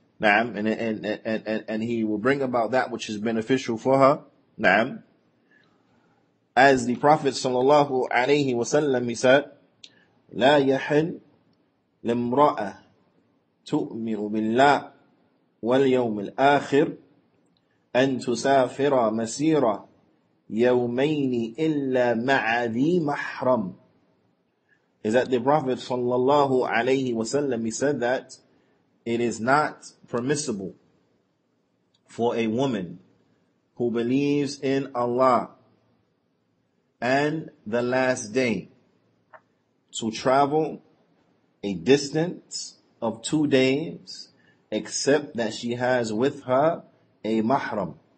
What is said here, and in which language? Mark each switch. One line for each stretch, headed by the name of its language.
English: Naam, and he will bring about that which is beneficial for her. Naam. As the Prophet sallallahu alayhi wa sallam, he said,
Arabic: لا يحل لامرأة تؤمن بالله واليوم الآخر أن تسافر مسيرة يومين إلا مع ذي محرم.
English: Is that the Prophet sallallahu alayhi wa sallam, he said that it is not permissible for a woman who believes in Allah and the last day to travel a distance of 2 days except that she has with her a mahram.